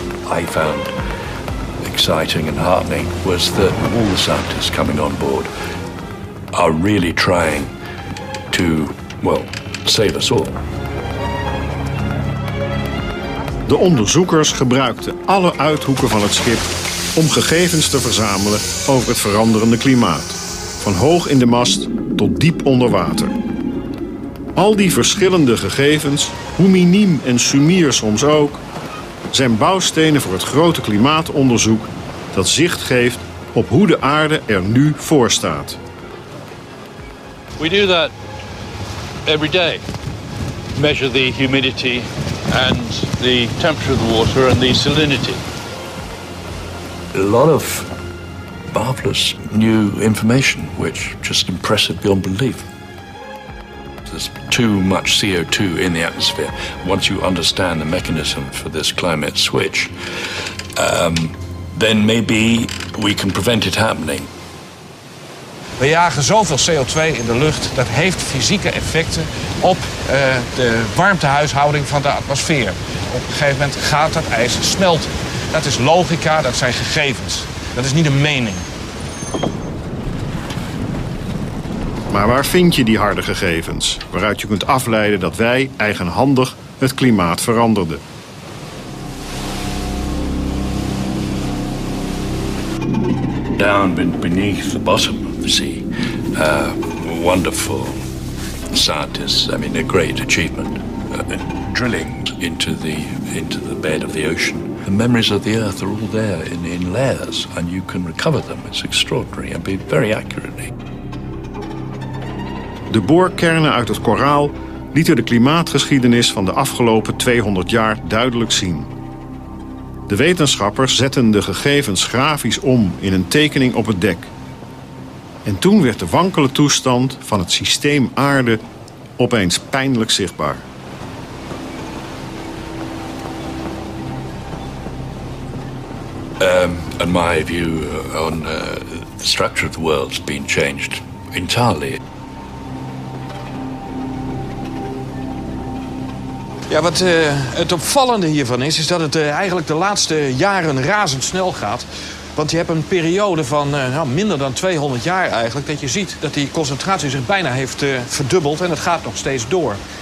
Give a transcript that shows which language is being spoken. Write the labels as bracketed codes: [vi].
[en] I found exciting and heartening was that all the scientists coming on board are really trying to, well, save us all. [nl] De onderzoekers gebruikten alle uithoeken van het schip om gegevens te verzamelen over het veranderende klimaat. Van hoog in de mast tot diep onder water. Al die verschillende gegevens, hoe miniem en sumier soms ook, zijn bouwstenen voor het grote klimaatonderzoek dat zicht geeft op hoe de aarde er nu voor staat. [en] We do that every day. Measure the humidity and the temperature of the water and the salinity. A lot of marvelous new information which just impresses beyond belief. There's too much CO2 in the atmosphere. Once you understand the mechanism for this climate switch, then maybe we can prevent it happening. [nl] We jagen zoveel CO2 in de lucht, dat heeft fysieke effecten op de warmtehuishouding van de atmosfeer. Op een gegeven moment gaat dat ijs smelten. Dat is logica, dat zijn gegevens. Dat is niet een mening. Maar waar vind je die harde gegevens, waaruit je kunt afleiden dat wij eigenhandig het klimaat veranderden? [en] Down beneath the bottom of the sea, wonderful scientists. I mean, a great achievement. Drilling into the bed of the ocean. The memories of the Earth are all there in layers, and you can recover them. It's extraordinary and be very accurately. [nl] De boorkernen uit het koraal lieten de klimaatgeschiedenis van de afgelopen 200 jaar duidelijk zien. De wetenschappers zetten de gegevens grafisch om in een tekening op het dek. En toen werd de wankele toestand van het systeem aarde opeens pijnlijk zichtbaar. [en] And my view on the structure of the world has been changed entirely. [nl] Ja, wat het opvallende hiervan is dat het eigenlijk de laatste jaren razendsnel gaat. Want je hebt een periode van minder dan 200 jaar eigenlijk, dat je ziet dat die concentratie zich bijna heeft verdubbeld en het gaat nog steeds door.